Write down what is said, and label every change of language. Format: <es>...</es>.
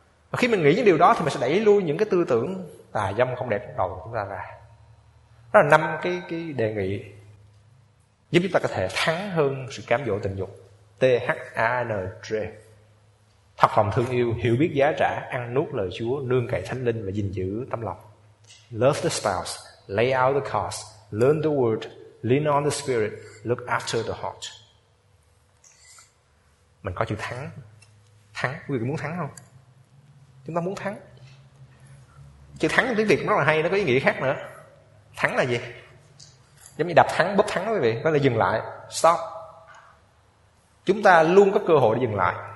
<vi>Và khi mình nghĩ những điều đó thì mình sẽ đẩy lui những cái tư tưởng tà dâm không đẹp đầu chúng ta ra. Đó là năm cái đề nghị giúp chúng ta có thể thắng hơn sự cám dỗ tình dục. THANJ. Thật lòng thương yêu, hiểu biết giá trả, ăn nuốt lời Chúa, nương cậy Thánh Linh và gìn giữ tâm lòng.</vi> <en>Love the spouse, lay out the cause, learn the word, lean on the spirit, look after the heart.</en> <vi>Mình có chữ thắng. Thắng, quý vị muốn thắng không? Chúng ta muốn thắng. Chữ thắng tiếng Việt rất là hay, nó có ý nghĩa khác nữa. Thắng là gì? Giống như đập thắng, bóp thắng, quý vị, có là dừng lại, stop. Chúng ta luôn có cơ hội để dừng lại.</vi>